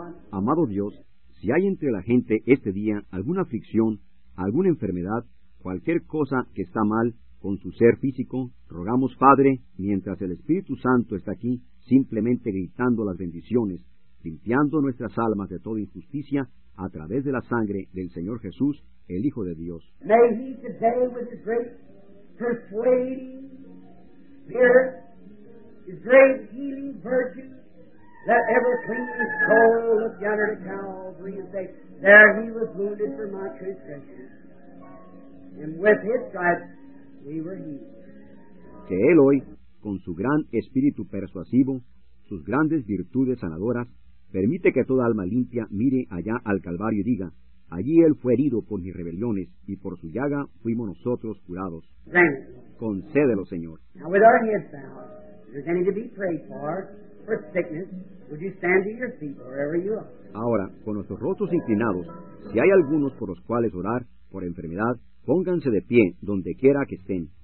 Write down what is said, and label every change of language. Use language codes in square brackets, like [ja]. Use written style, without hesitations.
[es] Amado Dios, si hay entre la gente este día alguna aflicción, alguna enfermedad, cualquier cosa que está mal con su ser físico, rogamos, Padre, mientras el Espíritu Santo está aquí, simplemente gritando las bendiciones, limpiando nuestras almas de toda injusticia a través de la sangre del Señor Jesús, el Hijo de Dios. [en] May he today with his great persuading spirit, his great healing virtue, let every clean soul look yonder to Calvary and say, there he was wounded for my transgressions, and with his stripes we were healed. [es] Que él hoy, con su gran espíritu persuasivo, sus grandes virtudes sanadoras, permite que toda alma limpia mire allá al Calvario y diga, allí Él fue herido por mis rebeliones y por su llaga fuimos nosotros curados. Concédelo, Señor. [en] Now with our heads bowed, if there's any to be prayed for sickness, would you stand to your feet wherever you are? [es] Ahora, con nuestros rostros inclinados, si hay algunos por los cuales orar por enfermedad, pónganse de pie donde quiera que estén.